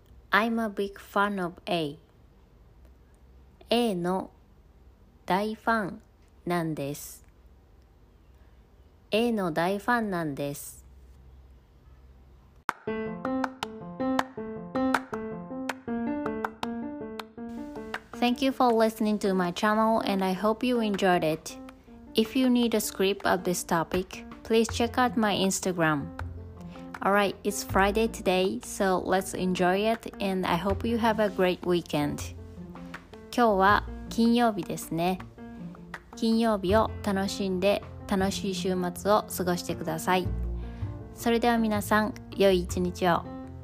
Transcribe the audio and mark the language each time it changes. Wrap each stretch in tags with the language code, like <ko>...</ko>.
<en>I'm a big fan of A.</en> <ja>A の大ファンなんです。 A の大ファンなんです。</ja> <en>Thank you for listening to my channel and I hope you enjoyed it. If you need a script of this topic, please check out my Instagram. Alright, it's Friday today, so let's enjoy it and I hope you have a great weekend.</en> <ja>今日は金曜日ですね。金曜日を楽しんで楽しい週末を過ごしてください。それでは皆さん、良い一日を。</ja>